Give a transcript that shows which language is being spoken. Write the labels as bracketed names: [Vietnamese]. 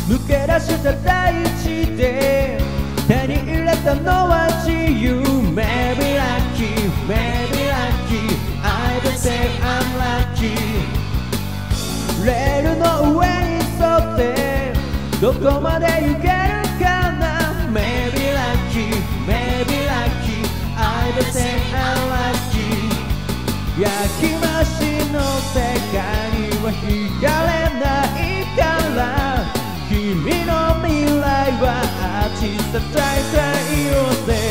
[Japanese] け出した大地で手に入れたのは自由。 [English] Maybe lucky, maybe lucky, I can say I'm lucky。 [Japanese] レールの上に沿ってどこまで行けるかな。 [English] Maybe lucky, maybe lucky, I can say I'm lucky。 [Japanese] 焼き増しの世界には惹かれないから、君の未来はアーティスト大太陽で。